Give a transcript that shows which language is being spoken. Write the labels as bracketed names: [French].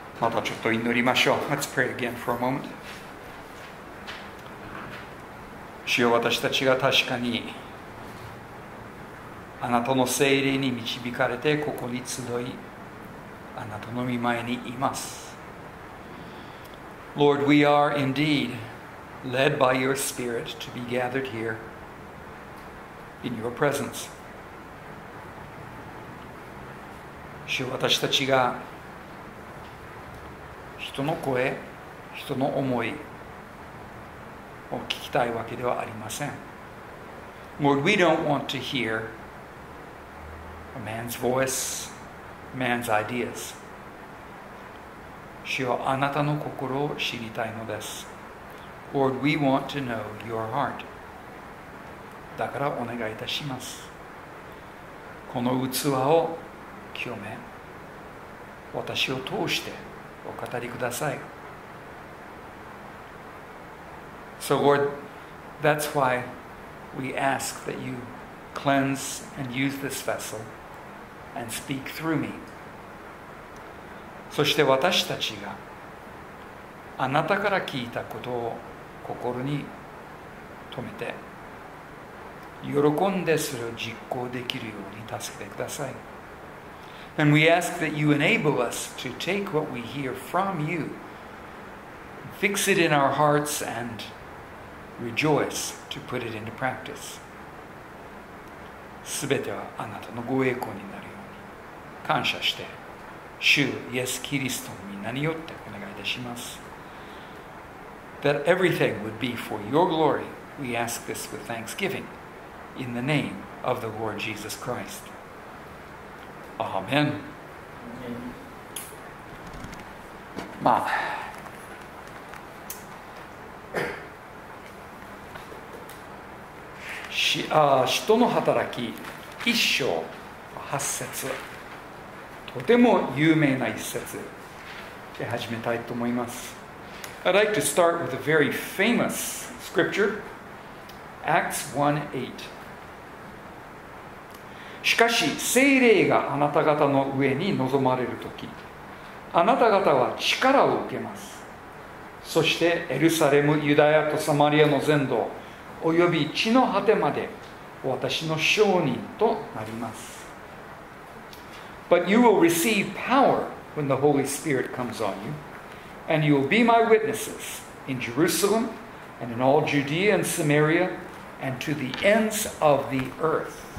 [Japanese] またちょっと祈りましょう。 [English] Let's pray again for a moment. [Japanese] 主よ、私たちが確かにあなたの聖霊に導かれてここに集い、あなたの御前にいます。 [English] Lord, we are indeed led by your Spirit to be gathered here in your presence. [Japanese] 主よ、私たちが人の声、人の思いを聞きたいわけではありません。 [English] Lord, we don't want to hear a man's voice, man's ideas. [Japanese] 主よ、あなたの心を知りたいのです。 [English] Lord, we want to know your heart. [Japanese] だからお願いいたします。この器を清め、私を通してお語りください。 [English] So Lord, that's why we ask that you cleanse and use this vessel and speak through me. [Japanese] そして私たちがあなたから聞いたことを心に留めて喜んでそれを実行できるように助けてください。 [English] And we ask that you enable us to take what we hear from you, fix it in our hearts, and rejoice to put it into practice. [Japanese] すべてはあなたのご栄光になるように感謝して、主イエスキリストの名によってお願いいたします。 [English] That everything would be for your glory, we ask this with thanksgiving, in the name of the Lord Jesus Christ. [Japanese] アーメン。まあ、使徒の働き一章八節、とても有名な一節で始めたいと思います。 [English] I'd like to start with a very famous scripture, Acts 1:8. [Japanese] しかし聖霊があなた方の上に臨まれるとき、あなた方は力を受けます。そしてエルサレム、ユダヤとサマリアの全土、および地の果てまで私の証人となります。 [English] But you will receive power when the Holy Spirit comes on you, and you will be my witnesses in Jerusalem, and in all Judea and Samaria, and to the ends of the earth.